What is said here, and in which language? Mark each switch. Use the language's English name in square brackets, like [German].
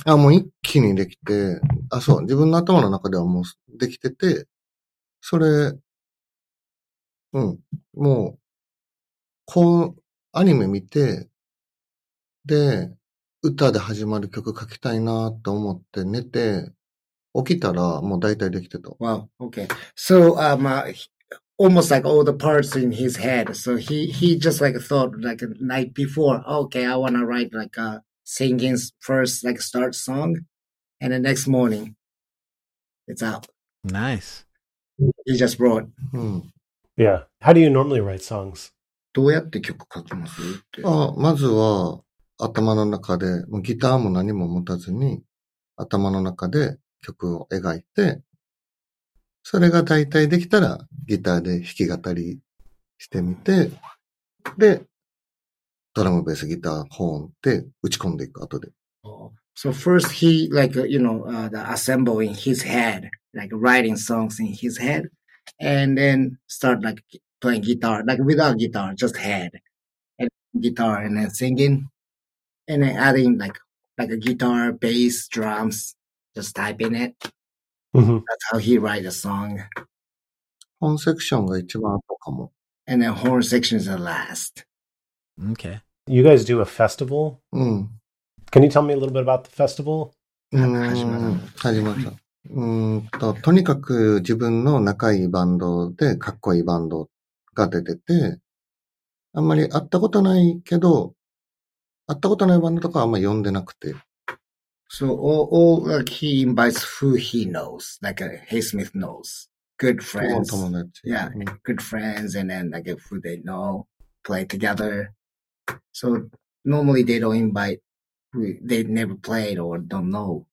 [Japanese] あ、もう一気にできて、あ、そう、自分の頭の中ではもうできてて、それ、うん、もう、こう、アニメ見て、で、歌で始まる曲書きたいなと思って寝て起きたらもう大体できてた。 [English] Wow, okay. So, almost like all the parts in his head. So he just like thought like a night before, okay, I wanna write like a singing first like start song, and the next morning, it's out. Nice. He just wrote. Yeah. How do you normally write songs? [Japanese] どうやって曲書きます？あ、まずは。頭の中で、もうギターも何も持たずに、頭の中で曲を描いて、それが大体できたら、ギターで弾き語りしてみて、で、ドラム、ベース、ギター、ホーンって打ち込んでいく後で。 [English] So first he, like, you know,、the assemble in his head, like writing songs in his head, and then start like playing guitar, like without guitar, just head, and guitar and then singing. And then adding like a guitar, bass, drums, just typing it.、That's how he writes a song. [Japanese] Horn section が一番後かも。 [English] And then horn section is the last. Okay. You guys do a festival?、うん、 Can you tell me a little bit about the festival? [Japanese] 始まった。とにかく自分の仲いいバンドでかっこいいバンドが出てて、あんまり会ったことないけど、会ったことないバンドとかはあんま呼んでなくて。 [English] So all he invites who he knows, like Haysmith knows. Good friends. [Japanese] 友達。 [English] Yeah, I mean, good friends and then like who they know, play together. So normally they don't invite, they never played or don't know.